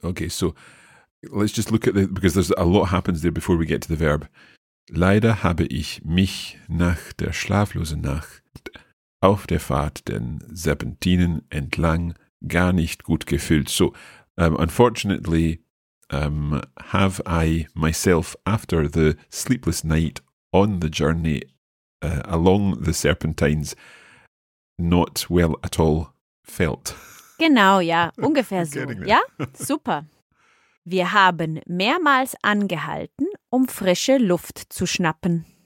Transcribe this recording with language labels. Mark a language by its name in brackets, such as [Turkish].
[English] Okay, so let's just look at the, because there's a lot happens there before we get to the verb. [German] Leider habe ich mich nach der schlaflosen Nacht auf der Fahrt den Serpentinen entlang gar nicht gut gefühlt. [English] So, unfortunately, have I myself, after the sleepless night on the journey along the Serpentines, not well at all felt. [German] Genau, ja, ungefähr so. Ja, super. Wir haben mehrmals angehalten, um frische Luft zu schnappen.